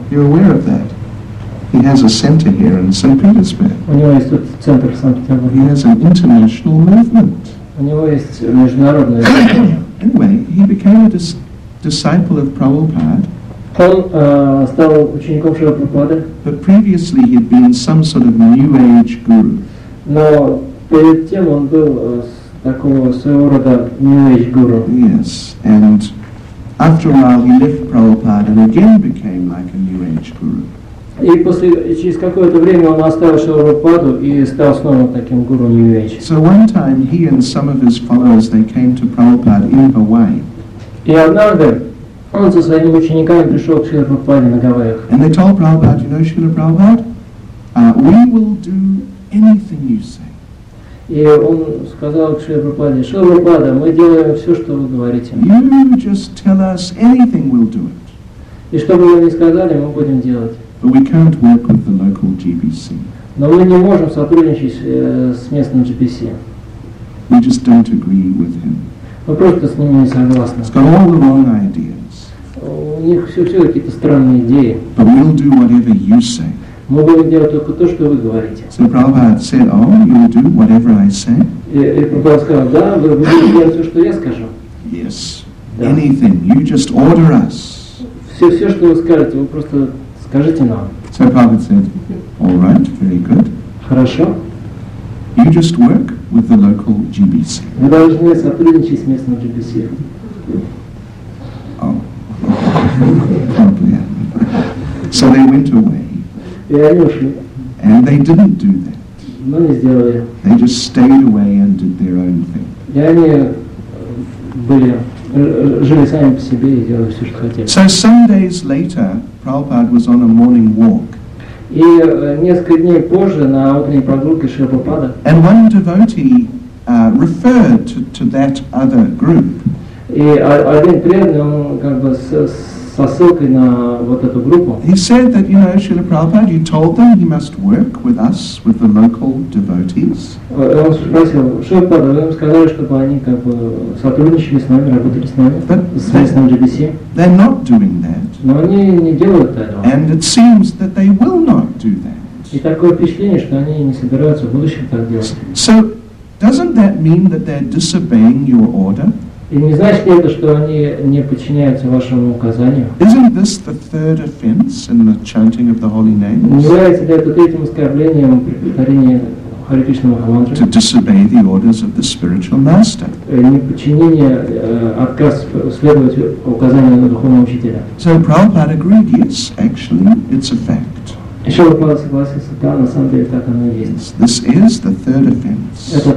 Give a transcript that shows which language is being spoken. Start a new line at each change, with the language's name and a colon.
English: You're aware of that? He has a center here in St. Petersburg.
Russian: У него есть тут центр в Санкт-Петербурге.
English: He has an international movement.
Russian: У него есть международное.
English: Anyway, he became a disciple of Prabhupada.
Russian: Он стал учеником Шрилы Прабхупады.
English: But previously he had been some sort of new age guru.
Russian: Но перед тем он был такого своего рода new age guru.
English: Yes, and after a while he left Prabhupada and again became like a new age guru.
Russian: И после, через какое-то время он оставил Шрилу Прабхупаду и стал снова таким гуру нью-эйдж.
English: So one time he and some of his followers they came to Prabhupada in Hawaii.
Russian: И однажды он со своими учениками пришел к Шриле Прабхупаде на Гавайях.
English: And they told Prabhupada, you know Shrila Prabhupada, we will do anything you say.
Russian: И он сказал к Шриле Прабхупаде, Шрила Прабхупада, мы делаем все, что вы говорите.
English: You just tell us anything, we'll do it.
Russian: И что бы вы ни сказали, мы будем делать.
English: But we can't work with the local GBC.
Russian: Но мы не можем сотрудничать с местным GBC.
English: We just don't agree with him.
Russian: Мы просто с ними не согласны.
English: He's got all the wrong ideas.
Russian: У них все какие-то странные идеи.
English: But we'll do whatever you say.
Russian: Мы будем делать только то, что вы говорите.
English: So Prabhupada said, "Oh, you'll do whatever I say."
Russian: И Прабхупада сказал, да, вы будете делать все, что я скажу.
English: Yes. Да. Anything. You just order us.
Russian: Все, что вы скажете, вы просто скажите нам.
English: So Prabhupada said, all right, very good.
Russian: Хорошо.
English: You just work with the local GBC.
Russian: Вы должны сотрудничать с местным GBC.
English: Oh. Yeah. So they went away.
Russian: И они ушли.
English: And they didn't do that.
Russian: Но не сделали.
English: They just stayed away and did their own thing.
Russian: И они были, жили сами по себе и делали все, что хотели.
English: So some days later, Prabhupada was on a morning walk.
Russian: И несколько дней позже на утренней прогулке Шрила Прабхупада.
English: And one devotee referred to that other group.
Russian: И один преданный он как бы со ссылкой на вот эту группу.
English: He said that, you know, Shrila Prabhupada, you told them he must work with us, with the local devotees.
Russian: Он спросил, Шрила Прабхупада, вы им сказали, чтобы они как бы сотрудничали с нами, работали с нами, с местным GBC.
English: They're not doing that.
Russian: Но они не делают этого.
English: And it seems that they will not do that.
Russian: И такое впечатление, что они не собираются в будущем так делать.
English: So, doesn't that mean that they're disobeying your order?
Russian: И не значит ли это, что они не подчиняются вашему указанию?
English: Isn't this the third offense in the chanting of the holy names?
Russian: Не является ли это третьим оскорблением при повторении Hare Krishna Mahamantra,
English: to disobey the orders of the spiritual master. So Prabhupada agreed, yes, actually, it's a fact. This is the third offense.